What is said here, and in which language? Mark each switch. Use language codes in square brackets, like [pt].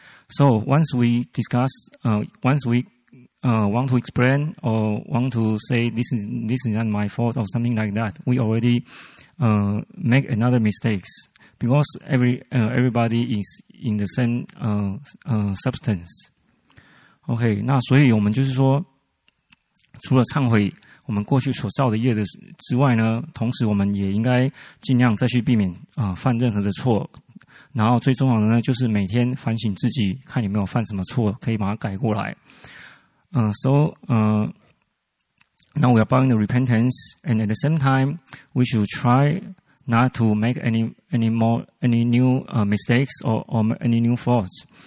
[en] So once we discuss, want to explain or want to say this is not my fault or something like that, we already make another mistakes because everybody is in the same substance. [zh] Okay, 那所以我们就是说，除了忏悔我们过去所造的业的之外呢，同时我们也应该尽量再去避免犯任何的错。然后最重要的呢，就是每天反省自己，看有没有犯什么错，可以把它改过来。 [en] Now we are bowing the repentance, and at the same time, we should try not to make any new mistakes or any new faults.